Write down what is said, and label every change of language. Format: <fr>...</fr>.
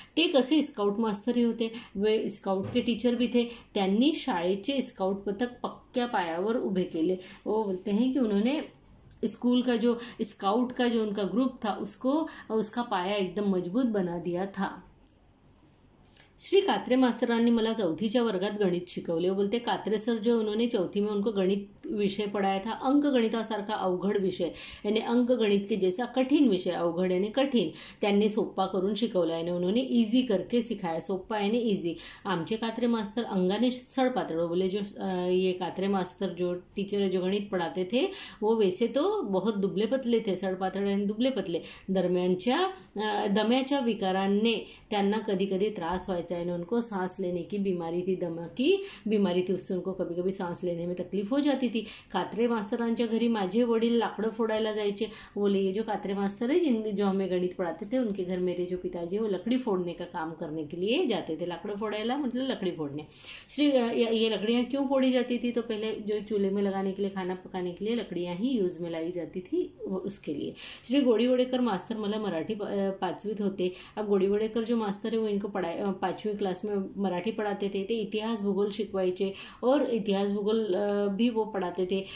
<mr>ते कसे scout master ही होते,</mr> <hi>वे स्काउट के टीचर भी थे।</hi> <mr>त्यांनी शाळेचे स्काउट पथक पक्क्या पायावर उभे केले।</mr> <hi>वो बोलते हैं कि उन्होंने स्कूल का जो स्काउट का जो उनका ग्रुप था उसको, उसका पाया एकदम मजबूत बना दिया था।</hi> <mr>श्री कात्रे मास्तरांनी मला चौथीच्या वर्गात गणित शिकवले।</mr> <hi>वो बोलते कात्रे सर जो उन्होंने चौथी में उनको गणित विषय पढ़ाया था,</hi> <mr>अंक गणितासारखा अवघड विषय,</mr> <hi>यानी अंक गणित के जैसा कठिन विषय, अवघड यानी कठिन,</hi> <mr>त्यांनी सोप्पा करून शिकवला,</mr> <hi>यानी उन्होंने इजी करके सिखाया, सोप्पा यानी इजी।</hi> <mr>आमचे कात्रे मास्तर अंगाने सड़ पात्र,</mr> <hi>बोले जो ये कात्रे मास्तर जो टीचर है जो गणित पढ़ाते थे वो वैसे तो बहुत दुबले पतले थे, सड़ पात्र यानी दुबले पतले,</hi> <mr>दरम्यानच्या दम्याच्या विकारांने त्यांना कधी कधी त्रास व्हायचा,</mr> <hi>चाहे उनको सांस लेने की बीमारी थी, दमा की बीमारी थी, उससे उनको कभी कभी सांस लेने में तकलीफ हो जाती थी।</hi> <mr>कात्रे मास्तरांच्या घरी माझे वडील लाकड़ फोड़ायला जायचे।</mr> <hi>बोले ये जो कात्रे मास्तर है जिन जो हमें गणित पढ़ाते थे उनके घर मेरे जो पिताजी वो लकड़ी फोड़ने का काम करने के लिए जाते थे।</hi> <mr>लाकड़ फोड़ायला</mr> <hi>मतलब लकड़ी फोड़ने, श्री ये लकड़ियाँ क्यों फोड़ी जाती थी, तो पहले जो चूल्हे में लगाने के लिए, खाना पकाने के लिए लकड़ियाँ ही यूज में लाई जाती थी उसके लिए।</hi> <mr>श्री गोडीवडेकर मास्तर मला मराठी पाचवीत होते।</mr> <hi>अब गोडीवडेकर जो मास्तर है वो इनको पढ़ाए, पांचवी क्लास में मराठी पढ़ाते थे,</hi> <mr>इतिहास भूगोल शिकवायचे,</mr> <hi>और इतिहास भूगोल भी वो पढ़ाते थे।</hi>